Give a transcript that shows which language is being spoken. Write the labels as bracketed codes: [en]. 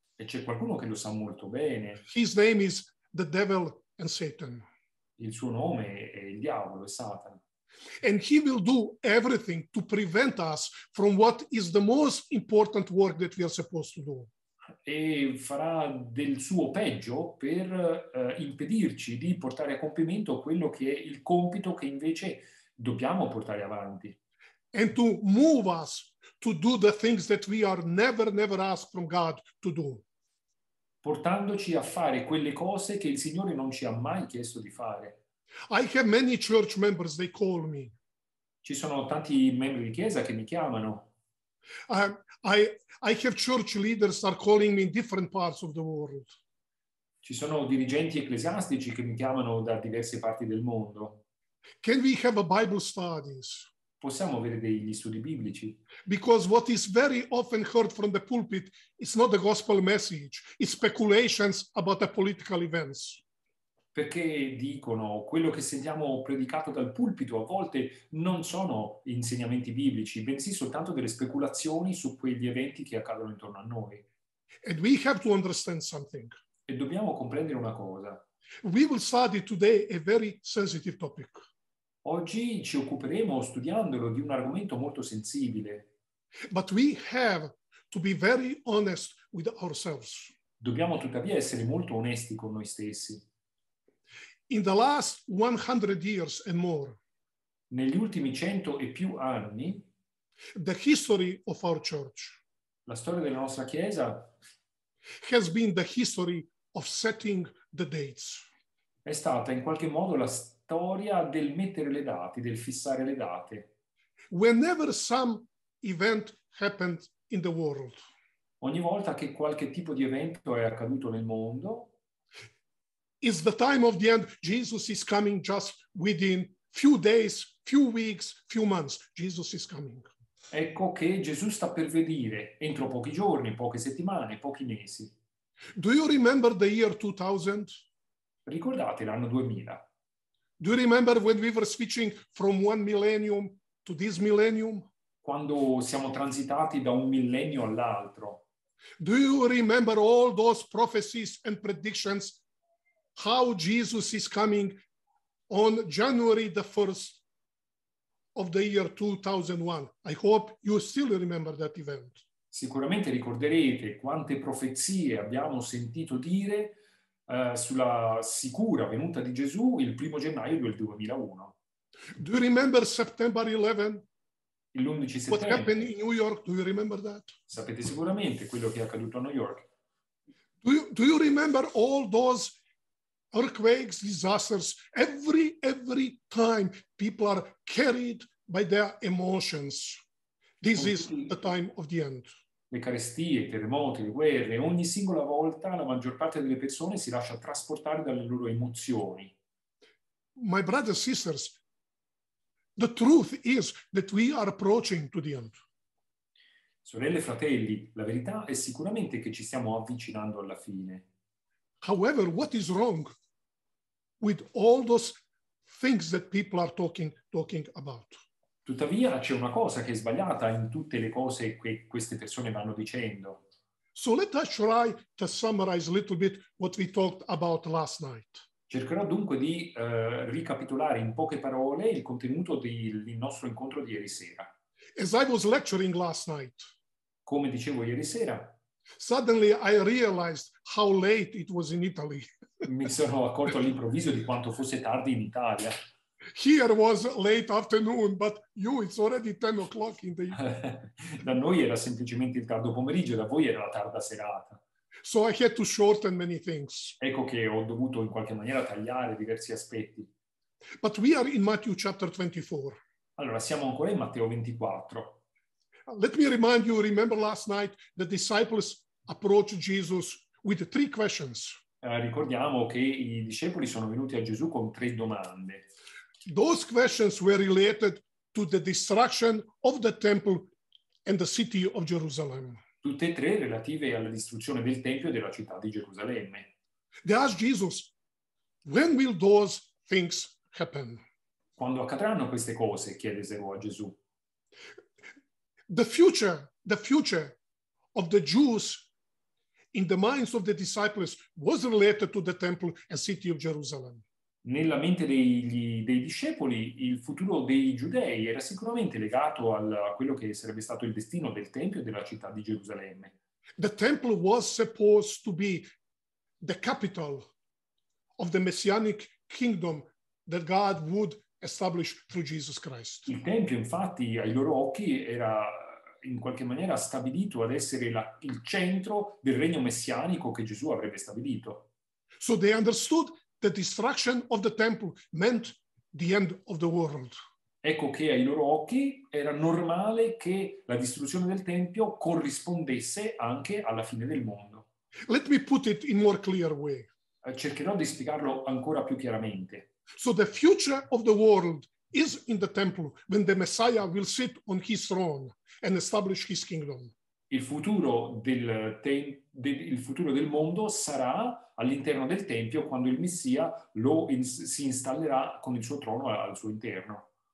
[it] E c'è qualcuno che lo sa molto bene. [en] His name is the devil and Satan. [it] Il suo nome è il diavolo e Satan. [en] And he will do everything to prevent us from what is the most important work that we are supposed to do. [it] E farà del suo peggio per impedirci di portare a compimento quello che è il compito che invece dobbiamo portare avanti. [en] And to move us to do the things that we are never, never asked from God to do. [it] Portandoci a fare quelle cose che il Signore non ci ha mai chiesto di fare. [en] I have many church members, they call me. [it] Ci sono tanti membri di chiesa che mi chiamano. [en] I have church leaders are calling me in different parts of the world. [it] Ci sono dirigenti ecclesiastici che mi chiamano da diverse parti del mondo. [en] Can we have a Bible studies? [it] Possiamo avere degli studi biblici? [en] Because what is very often heard from the pulpit is not the gospel message, it's speculations about the political events. [it] Perché dicono quello che sentiamo predicato dal pulpito a volte non sono insegnamenti biblici, bensì soltanto delle speculazioni su quegli eventi che accadono intorno a noi. [en] And we have to understand something. [it] E dobbiamo comprendere una cosa. [en] We will study today a very sensitive topic. [it] Oggi ci occuperemo, studiandolo, di un argomento molto sensibile. [en] But we have to be very honest with ourselves. [it] Dobbiamo tuttavia essere molto onesti con noi stessi. [en] In the last 100 years and more, [it] negli ultimi 100 e più anni, [en] the history of our church, [it] la storia della nostra chiesa, [en] has been the history of setting the dates. [it] È stata in qualche modo la storia del mettere le date, del fissare le date. [en] Whenever some event happened in the world, [it] ogni volta che qualche tipo di evento è accaduto nel mondo, [en] is the time of the end. Jesus is coming just within few days, few weeks, few months. Jesus is coming. [it] Ecco che Gesù sta per venire entro pochi giorni, poche settimane, pochi mesi. [en] Do you remember the year 2000? [it] Ricordate l'anno 2000? [en] Do you remember when we were switching from one millennium to this millennium? [it] Quando siamo transitati da un millennio all'altro. [en] Do you remember all those prophecies and predictions? How Jesus is coming on January the 1st of the year 2001. I hope you still remember that event. [it] Sicuramente ricorderete quante profezie abbiamo sentito dire sulla sicura venuta di Gesù il primo gennaio del 2001. [en] Do you remember September 11? [it] L'11 settembre. [en] What happened in New York? Do you remember that? [it] Sapete sicuramente quello che è accaduto a New York. [en] Do you remember all those earthquakes, disasters, every time people are carried by their emotions. This is the time of the end. [it] Le carestie, terremoti, le guerre, ogni singola volta la maggior parte delle persone si lascia trasportare dalle loro emozioni. [en] My brothers and sisters, the truth is that we are approaching to the end. [it] Sorelle e fratelli, la verità è sicuramente che ci stiamo avvicinando alla fine. [en] However, what is wrong with all those things that people are talking about? [it] Tuttavia c'è una cosa che è sbagliata in tutte le cose che queste persone vanno dicendo. [en] So let us try to summarize a little bit what we talked about last night. [it] Cercherò dunque di ricapitolare in poche parole il contenuto del nostro incontro di ieri sera. [en] As I was lecturing last night, [it] come dicevo ieri sera, [en] suddenly I realized how late it was in Italy. [it] Mi sono accorto all'improvviso di quanto fosse tardi in Italia. [en] Here was late afternoon, but you, it's already 10 o'clock in the evening. [it] Da noi era semplicemente il tardo pomeriggio, da voi era la tarda serata. [en] So I had to shorten many things. [it] Ecco che ho dovuto in qualche maniera tagliare diversi aspetti. [en] But we are in Matthew chapter 24. [it] Allora, siamo ancora in Matteo 24. [en] Let me remind you, remember last night, the disciples approached Jesus with three questions. [it] Ricordiamo che i discepoli sono venuti a Gesù con tre domande. [en] Those questions were related to the destruction of the temple and the city of Jerusalem. [it] Tutte e tre relative alla distruzione del tempio e della città di Gerusalemme. [en] They asked Jesus, When will those things happen? [it] Quando accadranno queste cose? Chiede Zeno a Gesù. [en] The future of the Jews in the minds of the disciples was related to the temple and city of Jerusalem. [it] Nella mente dei discepoli, il futuro dei giudei era sicuramente legato a quello che sarebbe stato il destino del Tempio e della città di Gerusalemme. [en] The temple was supposed to be the capital of the messianic kingdom that God would establish through Jesus Christ. [it] Il Tempio, infatti, ai loro occhi era in qualche maniera stabilito ad essere il centro del regno messianico che Gesù avrebbe stabilito. [en] So they understood the destruction of the temple meant the end of the world. [it] Ecco che ai loro occhi era normale che la distruzione del tempio corrispondesse anche alla fine del mondo. [en] Let me put it in more clear way. [it] Cercherò di spiegarlo ancora più chiaramente. [en] So the future of the world is in the temple when the Messiah will sit on his throne and establish his kingdom. [it] Il futuro del mondo sarà all'interno del tempio quando il Messia si installerà con il suo trono al suo interno.